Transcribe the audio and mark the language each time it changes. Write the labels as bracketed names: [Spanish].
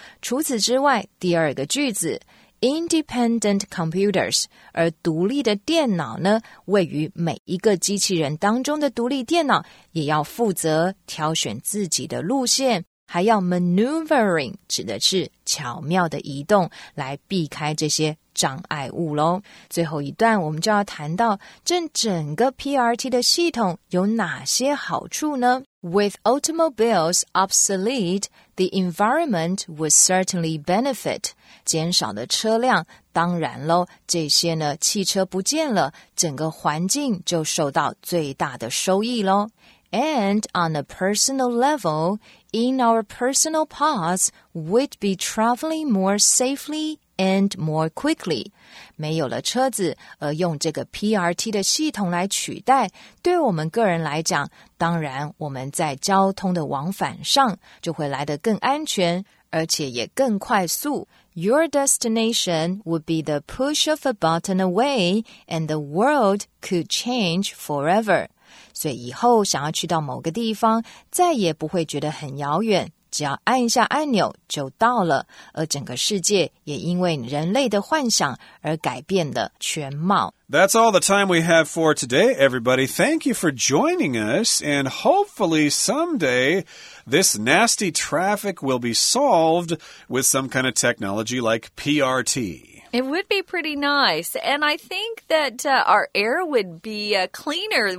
[Chinese] 除此之外，第二个句子 [English] independent computers， [Chinese] 而独立的电脑呢，位于每一个机器人当中的独立电脑也要负责挑选自己的路线，还要 maneuvering， 指的是巧妙的移动来避开这些障碍物咯。最后一段我们就要谈到这整个 PRT 的系统有哪些好处呢？ [English] With automobiles obsolete, the environment would certainly benefit. [Chinese] 减少的车辆当然咯，这些呢汽车不见了，整个环境就受到最大的收益咯。 [English] And on a personal level, in our personal paths, we'd be traveling more safely and more quickly. [Chinese] 没有了车子，而用这个 PRT 的系统来取代，对我们个人来讲，当然我们在交通的往返上就会来得更安全，而且也更快速。 [English] Your destination would be the push of a button away, and the world could change forever. [Chinese] 所以以后想要去到某个地方，再也不会觉得很遥远，只要按一下按钮就到了，而整个世界也因为人类的幻想而改变了全貌。 [English] That's all the time we have for today, everybody. Thank you for joining us, and hopefully someday this nasty traffic will be solved with some kind of technology like PRT. It would be pretty nice. And I think that our air would be cleaner.